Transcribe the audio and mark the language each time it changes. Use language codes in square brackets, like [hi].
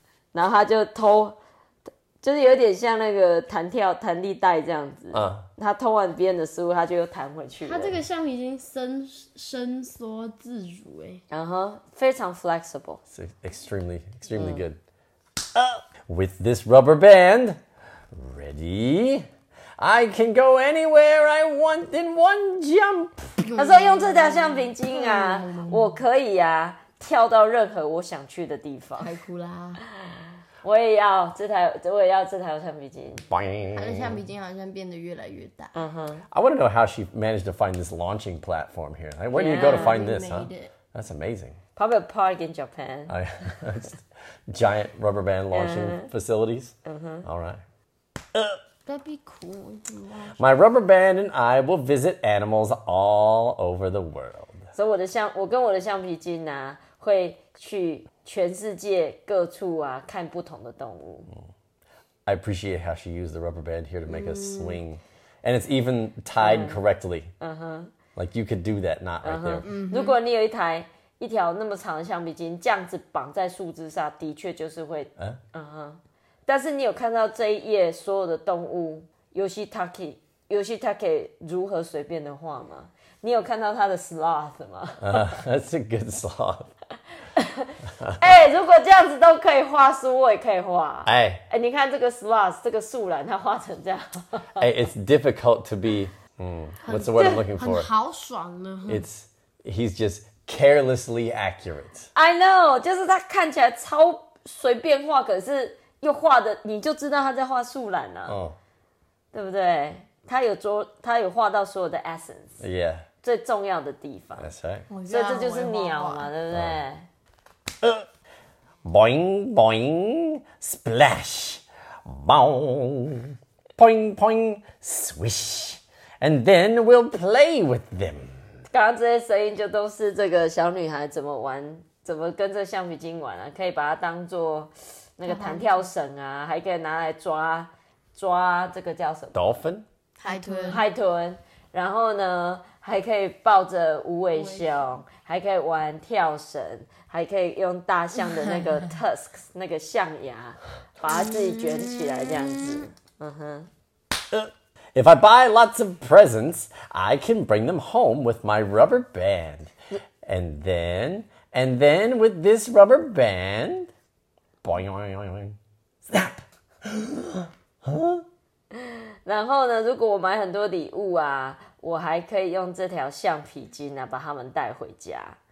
[zh] 然后他就偷，就是有点像那个弹跳弹力带这样子。他偷完别人的食物，他就又弹回去了。他这个橡皮筋伸缩自如，哎，然后非常 flexible， [en] it's extremely extremely good.、With this rubber band, ready, I can go anywhere I want in one jump. [zh] 他说用这条橡皮筋啊，我可以啊跳到任何我想去的地方。太酷啦！我也要这台橡皮筋。他的橡皮筋好像变得越来越大。 [en] I want to know how she managed to find this launching platform here. Like, where do you go to find this, huh? That's amazing. Probably a park in Japan. giant rubber band launching facilities. All right. That'd be cool. My rubber band and I will visit animals all over the world. [zh] So 我跟我的橡皮筋啊会去全世界各处啊，看不同的动物。 [en] I appreciate how she used the rubber band here to make a swing, and it's even tied correctly. Like you could do that, not right there. [zh] 如果你有一条那么长的橡皮筋，这样子绑在树枝上，的确就是会。但是你有看到这一页所有的动物 Yoshitake 如何随便的画吗？你有看到他的 sloth 吗？ [en] That's a good sloth. [zh] 如果这样子都可以画书，我也可以画。你看这个 sloth， 这个树懒，它画成这样。 [en] It's difficult to be. What's the word I'm looking for? [zh] 很豪爽呢。 [en] He's just carelessly accurate. I know， [zh] 就是他看起来超随便画，可是又画的，你就知道他在画树懒啊。对不对？他有画到所有的 essence， [en] yeah， [zh] 最重要的地方。 [en] That's right。 [zh] 所以这就是鸟嘛，对不对？ [en] Boing boing splash, boing boing boing swish, and then we'll play with them。 [zh] 刚刚这些声音就都是这个小女孩怎么玩，怎么跟这橡皮筋玩啊？可以把它当做那个弹跳绳啊，还可以拿来抓这个叫什么 [en] ？Dolphin。 [zh] 海豚，然后呢，还可以抱着无尾熊，还可以玩跳绳，还可以用大象的那个 tusks 那个象牙，把它自己卷起来这样子。 [en] If I buy lots of presents, I can bring them home with my rubber band, and then with this rubber band, boing boing boing, snap. Huh? [zh] 然后呢，如果我买很多礼物啊，我还可以用这条橡皮筋啊把他们带回家。